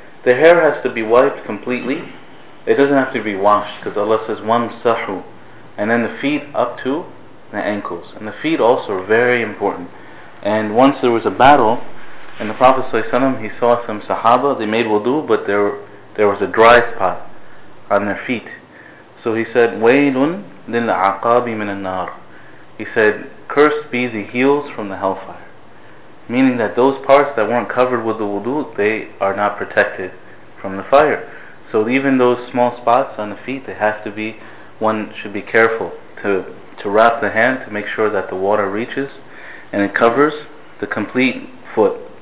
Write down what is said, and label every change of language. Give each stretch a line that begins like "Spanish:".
English: The hair has to be wiped completely. It doesn't have to be washed, because Allah says, وَامْسَحُوا. And then the feet up to the ankles. And the feet also are very important. And once there was a battle, and the Prophet ﷺ, he saw some Sahaba, they made wudu, but there was a dry spot on their feet. So he said,
Arabic: وَيْلٌ لِلْعَقَابِ مِنَ النَّارِ.
English: He said, cursed be the heels from the hellfire. Meaning that those parts that weren't covered with the wudu, they are not protected from the fire. So even those small spots on the feet, they have to be, one should be careful to wrap the hand to make sure that the water reaches and it covers the complete foot.